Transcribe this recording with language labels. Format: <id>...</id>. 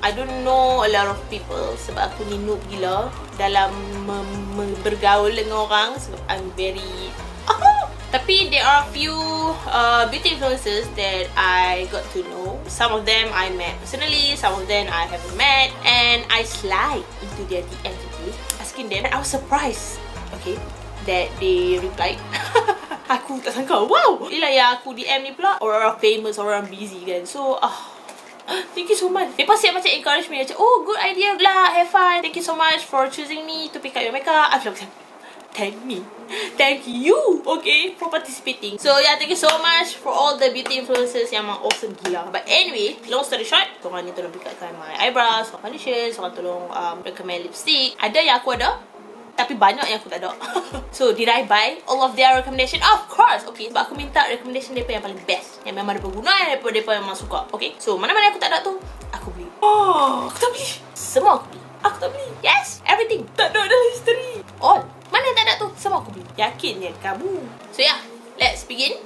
<en>I don't know a lot of people</en> <ms>sebab aku ni noob gila dalam bergaul dengan orang sebab</ms> <en>I'm very</en> <ms>tapi</ms> <en>there are a few beauty influencers that I got to know. Some of them I met personally, some of them I haven't met, and I slide into their DM today asking them, and I was surprised, okay, that they replied.</en> <ms>Aku tak sangka, wow. Yelah, yang aku DM ni pula orang famous, orang busy kan.</ms> <en>So thank you so much.</en> <ms>Lepas siap macam</ms> <en>encourage me,</en> <ms>macam,</ms> <en>oh good idea lah, have fun, thank you so much for choosing me to pick up your makeup. I'm like, thank me, thank you, okay, for participating. So yeah, thank you so much for all the beauty influencers</en> <ms>yang memang</ms> <en>awesome</en> <ms>gila.</ms> <en>But anyway, long story short,</en> <ms>korang ni tolong</ms> <en>pick up my eyebrows, my foundation,</en> <ms>korang tolong</ms> <en>recommend lipstick.</en> <ms>Ada yang aku ada, tapi banyak yang aku tak ada.</ms> <en>So did I buy all of their recommendation? Of course.</en> <ms>Okay, sebab aku minta recommendation mereka yang paling best, yang memang mereka guna, yang mereka memang suka. Okay, so mana-mana aku tak ada tu, aku beli. Oh, aku tak beli. Semua aku beli. Aku tak beli.</ms> <en>Yes, everything.</en> <ms>Tak ada dalam history. All. Mana yang tak ada tu, semua aku beli. Yakin ya kamu.</ms> <en>So yeah, let's begin.</en>